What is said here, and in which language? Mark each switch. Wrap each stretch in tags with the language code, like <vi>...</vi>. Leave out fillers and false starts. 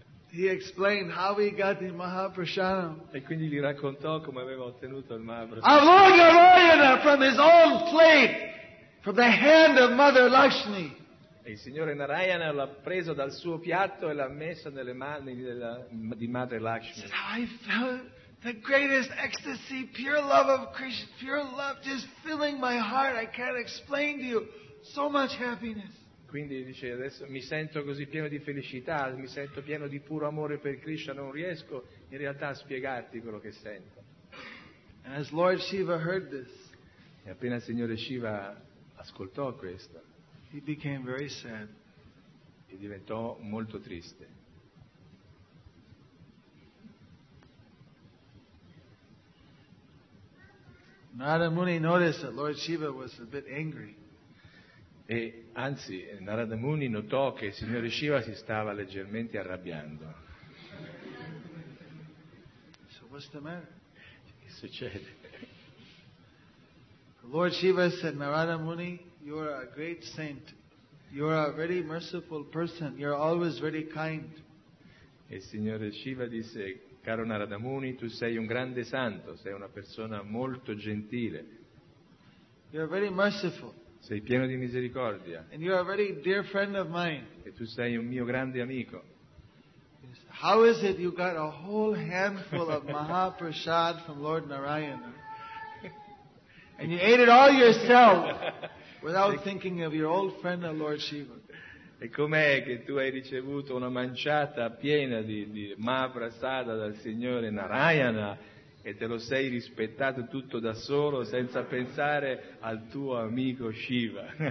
<en>He explained how he got the Mahaprasadam.</en> <it>E quindi gli raccontò come aveva ottenuto il Mahaprasadam.</it> <en>From his own plate, from the hand of Mother Lakshmi.</en> <it>E il signore Narayana l'ha preso dal suo piatto e l'ha messo nelle mani di Madre Lakshmi.</it> <en>He said, I felt the greatest ecstasy, pure love of Krishna, pure love just filling my heart. I can't explain to you. So much happiness.</en> <it>Quindi dice, adesso mi sento così pieno di felicità, mi sento pieno di puro amore per Krishna, non riesco in realtà a spiegarti quello che sento.</it> <en>And as Lord Shiva heard this,</en> <it>e appena il Signore Shiva ascoltò questo,</it> <en>he became very sad.</en> <it>E diventò molto triste.</it> <en>Narada Muni noticed that Lord Shiva was a bit angry.</en> <it>E anzi Narada Muni notò che il signore Shiva si stava leggermente arrabbiando.</it> <en>So what's the matter?</en> <it>Che succede?</it> <en>The Lord Shiva said, Narada Muni, you are a great saint. You are a very merciful person. You are always very kind.</en> <it>E il signore Shiva disse, caro Narada Muni, tu sei un grande santo, sei una persona molto gentile.</it> <en>You are very merciful.</en> <it>Sei pieno di misericordia.</it> <en>And you are a very dear friend of mine.</en> <it>E tu sei un mio grande amico.</it> <en>How is it you got a whole handful of Mahaprasad from Lord Narayana? And you ate it all yourself without thinking of your old friend of Lord Shiva.</en> <it>E com'è che tu hai ricevuto una manciata piena di Mahaprasada dal signore Narayana? E te lo sei rispettato tutto da solo senza pensare al tuo amico Shiva.</it>